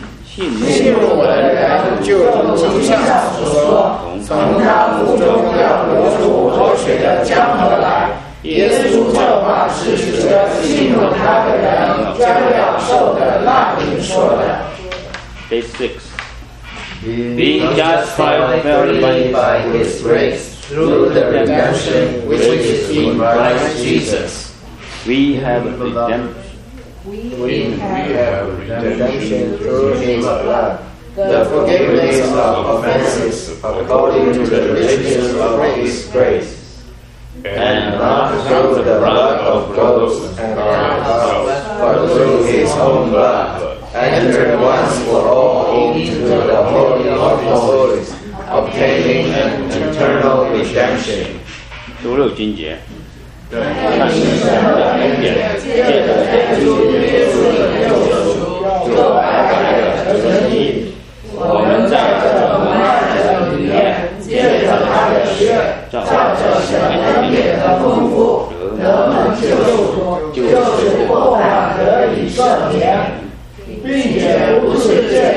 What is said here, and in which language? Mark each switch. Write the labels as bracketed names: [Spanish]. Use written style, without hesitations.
[Chinese] 信入我的人，就如经上所说，从他腹中要流出活水的江河来。耶稣这话是指着信入他的人将要受的那灵说的。 [English] Day six. Being justified freely by His grace through the redemption which is in Christ Jesus, we have redemption. We have redemption through His blood, the forgiveness of offenses according to the riches of His grace. And not through the blood of goats and calves, but through his own blood, entered once for all into the Holy of Holies, obtaining an eternal redemption. [Chinese] 周六经节，那世上的恩典，借着耶稣基督的救赎，就白白的称义。我们在这蒙爱的里面，借着他的血。照着神恩典的丰富，得蒙救赎，就是过犯得以赦免，并且不是